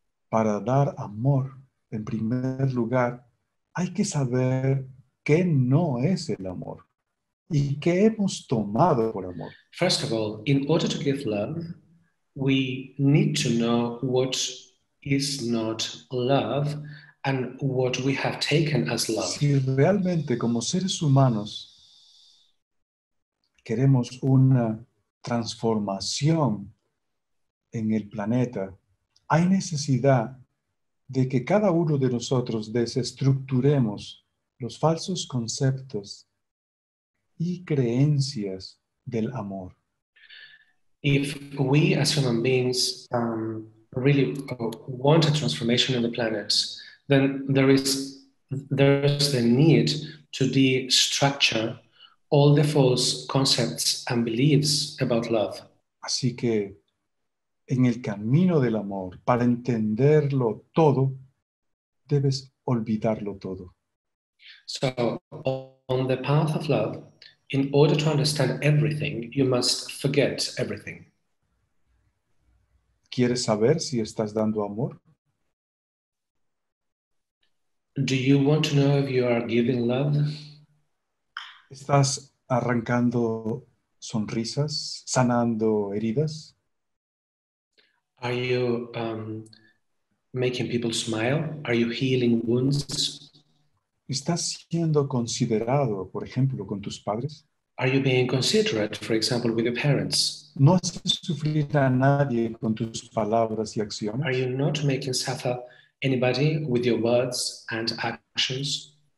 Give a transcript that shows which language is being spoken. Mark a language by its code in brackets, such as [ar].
[es] Para dar amor, en primer lugar, hay que saber qué no es el amor y qué hemos tomado por amor. [en] First of all, in order to give love, we need to know what is not love and what we have taken as love. [es] Si realmente como seres humanos queremos una transformación en el planeta, hay necesidad de que cada uno de nosotros desestructuremos los falsos conceptos y creencias del amor. [en] If we as human beings really want a transformation in the planet, then there is the need to destructure all the false concepts and beliefs about love. [es] Así que en el camino del amor, para entenderlo todo, debes olvidarlo todo. [en] So, on the path of love, in order to understand everything, you must forget everything. [es] ¿Quieres saber si estás dando amor? [en] Do you want to know if you are giving love? [es] ¿Estás arrancando sonrisas, sanando heridas? [en] Are you making people smile? Are you healing wounds? [es] ¿Estás siendo considerado, por ejemplo, con tus padres? [en] Are you being considerate, for example, with your parents? [es] ¿No haces sufrir a nadie con tus palabras y acciones? [en] Are you not making suffer anybody with your words and actions?